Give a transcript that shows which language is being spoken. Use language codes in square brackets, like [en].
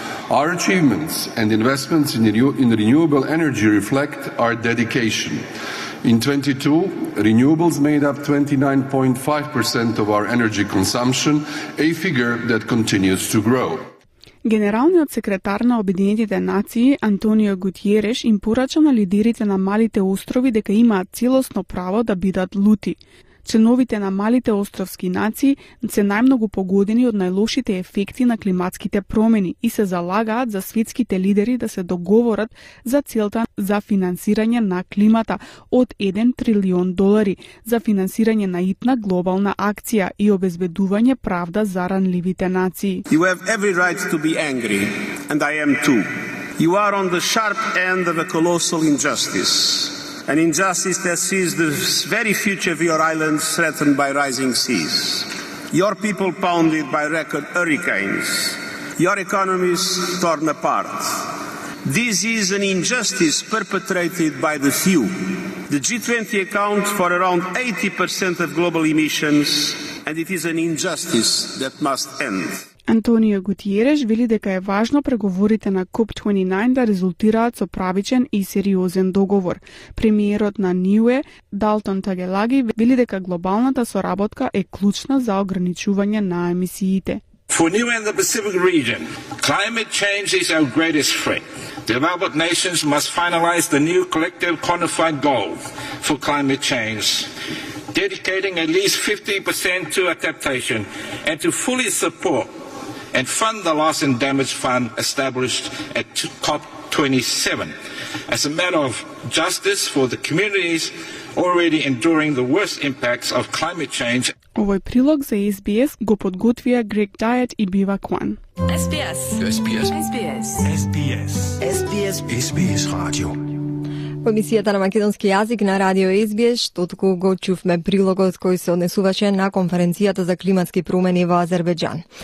[en] Our achievements and investments in renewable energy reflect our dedication. In 22, renewables made up 29.5% of our energy consumption, a figure that continues to grow. [mk] Генералниот секретар на Обединетите нации Антонио Гутиереш им порача на лидерите на малите острови дека имаат целосно право да бидат лути. Членовите на малите островски нации се најмногу погодени од најлошите ефекти на климатските промени и се залагаат за светските лидери да се договорат за целта за финансирање на климата од 1 трилион долари, за финансирање на итна глобална акција и обезбедување правда за ранливите нации. [en] You have every right to be angry, and I am too. You are on the sharp end of a colossal injustice. An injustice that sees the very future of your islands threatened by rising seas. Your people pounded by record hurricanes. Your economies torn apart. This is an injustice perpetrated by the few. The G20 accounts for around 80% of global emissions, and it is an injustice that must end. [mk] Антонио Гутиереш вели дека е важно преговорите на COP29 да резултираат со правичен и сериозен договор. Премиерот на НИУЕ, Далтон Тагелаги, вели дека глобалната соработка е клучна за ограничување на емисиите. [en] For NIUE and the Pacific region, climate change is our greatest threat. Developed nations must finalize the new collective quantified goal for climate change, dedicating at least 50% to adaptation and to fully support and fund the loss and damage fund established at COP27 as a matter of justice for the communities already enduring the worst impacts of climate change. [mk] Овој прилог за SBS го подготвија Грег Дајет и Бива Кван. SBS. SBS. SBS. SBS. SBS Radio. Во емисијата на македонски јазик на Радио SBS, штотку го чувме прилогот кој се однесуваше на конференцијата за климатски промени во Азербејджан.